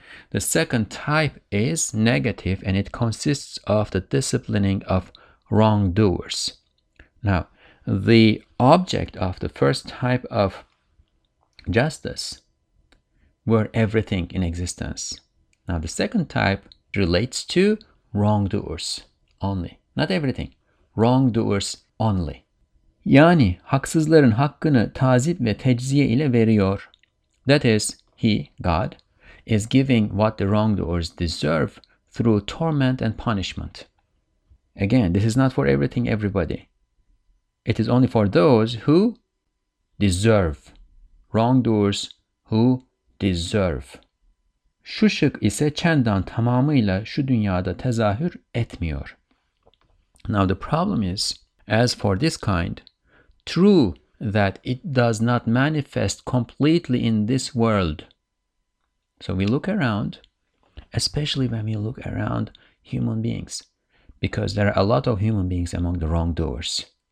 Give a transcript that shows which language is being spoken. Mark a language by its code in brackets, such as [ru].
[en] The second type is negative, and it consists of the disciplining of wrongdoers. Now, the object of the first type of justice were everything in existence. Now, the second type relates to wrongdoers only. Not everything. Wrongdoers only. [tr] Yani, haksızların hakkını tazip ve tecziye ile veriyor. [en] That is, he, God, is giving what the wrongdoers deserve through torment and punishment. Again, this is not for everything, everybody. It is only for those who deserve. Wrongdoers who deserve. [tr] Şu şık ise çendan tamamıyla şu dünyada tezahür etmiyor. [en] Now the problem is, as for this kind, true that it does not manifest completely in this world. So we look around, especially when we look around human beings, because there are a lot of human beings among the wrongdoers.